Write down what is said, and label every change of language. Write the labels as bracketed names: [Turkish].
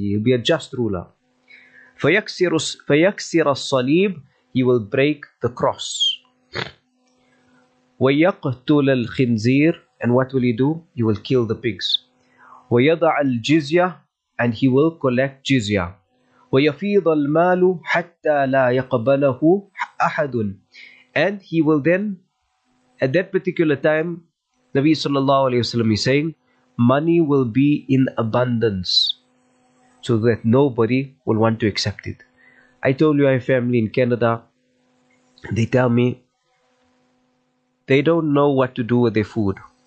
[English] He'll be a just ruler. [Arabic] فيكسر الصليب, [English] he will break the cross. [Arabic] ويقتل الخنزير, [English] and what will he do? He will kill the pigs. [Arabic] ويضع الجزية, [English] and he will collect jizya. [Arabic] ويفيض المال حتى لا يقبله أحد. [English] And he will then, at that particular time, Nabi sallallahu alayhi wa sallam is saying, money will be in abundance so that nobody will want to accept it. I told you, I have family in Canada. They tell me they don't know what to do with their food.